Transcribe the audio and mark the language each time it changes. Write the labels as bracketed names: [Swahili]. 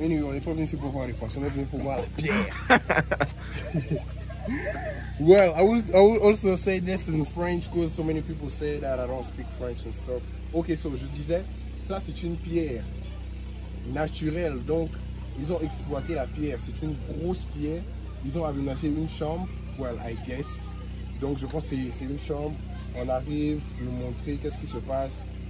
[French] Anyway, on n'est pas venu ici pour voir les poissons, on est venu pour voir la pierre. [English] Well, I would also say this in French because so many people say that I don't speak French and stuff. [French] Okay, so je disais, ça c'est une pierre naturelle, donc ils ont exploité la pierre. C'est une grosse pierre, ils ont aménagé une chambre, well, I guess. Donc je pense que c'est une chambre, on arrive, nous montrer qu'est-ce qui se passe.